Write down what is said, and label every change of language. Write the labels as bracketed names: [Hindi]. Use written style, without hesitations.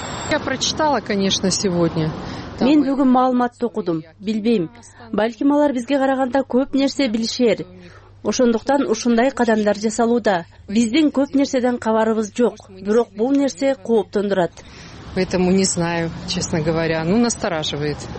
[Russian] Я прочитала, конечно, сегодня. [Kyrgyz] Мен бүгүн маалыматты окудум. Билбейм, балким алар бизге караганда көп нерсе билишер. Ошондуктан ушундай кадамдар жасалууда. Биздин көп нерседен кабарыбыз жок, бирок бул нерсе кооптондурат. [Russian] Поэтому не знаю, честно говоря, настораживает.